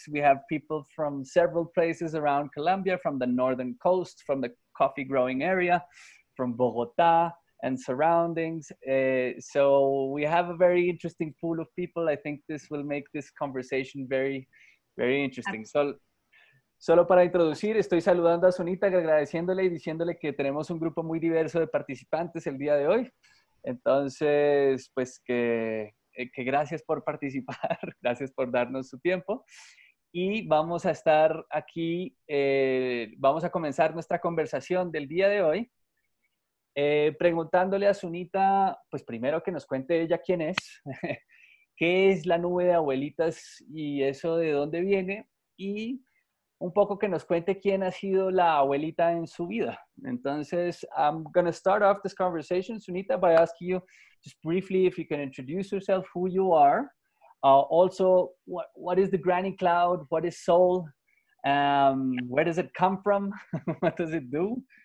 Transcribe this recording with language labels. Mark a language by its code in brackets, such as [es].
[en] We have people from several places around Colombia, from the northern coast, from the coffee growing area, from Bogota and surroundings. So we have a very interesting pool of people. I think this will make this conversation very, very interesting. [es] Solo para introducir, estoy saludando a Sunita, agradeciéndole y diciéndole que tenemos un grupo muy diverso de participantes el día de hoy. Entonces, pues que gracias por participar, gracias por darnos su tiempo. Y vamos a estar aquí, vamos a comenzar nuestra conversación del día de hoy preguntándole a Sunita, pues primero que nos cuente ella quién es, qué es la nube de abuelitas y eso de dónde viene y un poco que nos cuente quién ha sido la abuelita en su vida. Entonces, [en] I'm going to start off this conversation, Sunita, by asking you just briefly if you can introduce yourself, who you are. Also, what is the granny cloud? What is soul? Where does it come from? What does it do?